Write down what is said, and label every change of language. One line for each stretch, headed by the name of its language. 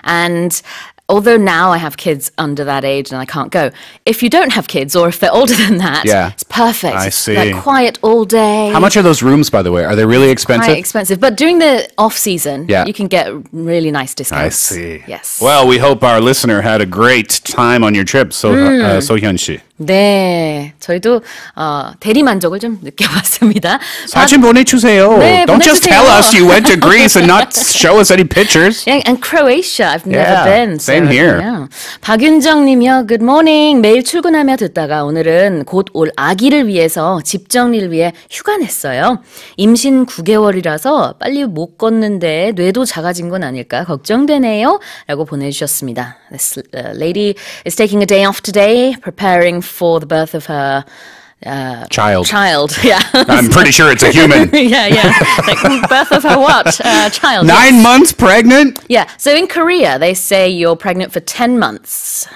English: And although now I have kids under that age and I can't go, if you don't have kids or if they're older than that, it's perfect. I see. They're quiet all day. How much are those rooms, by the way? Are they really expensive? Quite expensive. But during the off-season, you can get really nice discounts. I see. Yes. Well, we hope our listener had a great time on your trip, So Hyun-shi.
Korean: 네, 저희도 대리만족을 좀 느껴봤습니다. 사진 보내주세요. 네,
English: Don't
Korean: 보내주세요.
English: Just tell us you went to Greece and not show us any pictures. Yeah, and Croatia, I've never been. Same so, here. Yeah. 박윤정님이요, Good morning.
Korean: 매일 출근하며 듣다가 오늘은 곧 올 아기를 위해서 집 정리를 위해 휴가 냈어요. 임신 9개월이라서 빨리 못 걷는데 뇌도 작아진 건 아닐까 걱정되네요. 라고 보내주셨습니다.
English: This lady is taking a day off today, preparing for the birth of her child. Yeah, I'm pretty sure it's a human. Like, birth of her what? Child. Nine months pregnant? Yeah. So in Korea, they say you're pregnant for 10 months.